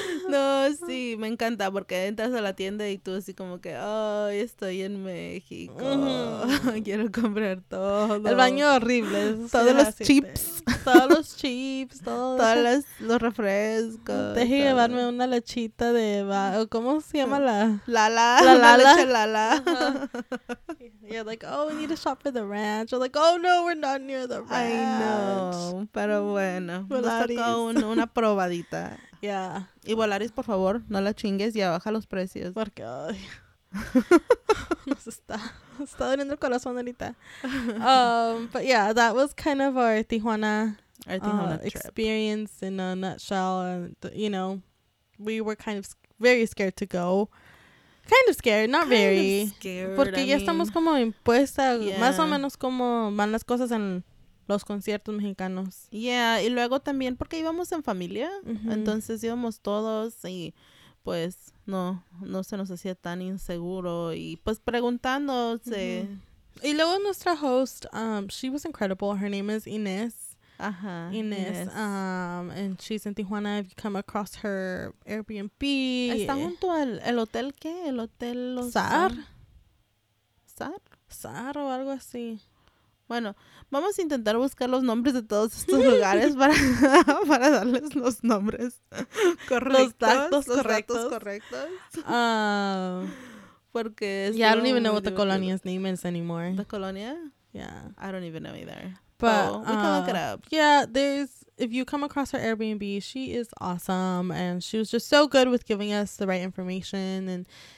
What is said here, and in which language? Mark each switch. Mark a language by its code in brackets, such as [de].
[es] No, sí, me encanta porque entras a la tienda y tú así como que, ay, oh, estoy en México, quiero comprar todo. El baño horrible, todos los chips, todos los refrescos. Deje de llevarme una lechita de, ¿cómo se llama la? La leche Lala. Uh-huh. [en] You're like, oh, we need to shop for the ranch. You're like, oh no, we're not near the ranch. I know, [es] pero bueno, una probadita. Yeah. Y Volaris, por favor, no la chingues, ya baja los precios. Porque, ay, nos está doliendo el corazón ahorita. [en] But yeah, that was kind of our Tijuana experience in a nutshell. And, you know, we were kind of very scared to go. Kind of scared, not kind very. Of scared, [es] porque ya estamos como impuesta, más o menos como van las cosas en los conciertos mexicanos. Y luego también porque íbamos en familia, uh-huh. Entonces íbamos todos y pues no se nos hacía tan inseguro y pues preguntándose. Uh-huh. Y luego nuestra host, [en] she was incredible. Her name is Inés. Ajá. Inés. And she's in Tijuana. If you come across her Airbnb. [es] Está junto al el hotel, ¿qué? El hotel Sar. Sar. Sar o algo así. Bueno, vamos a intentar buscar los nombres de todos estos lugares para darles los nombres correctos. Los datos correctos. Porque es... [en] Yeah, I don't even know what the colonia's name is anymore. ¿The colonia? Yeah. I don't even know either. But, we can look it up. Yeah, there's... If you come across her Airbnb, she is awesome. And she was just so good with giving us the right information and...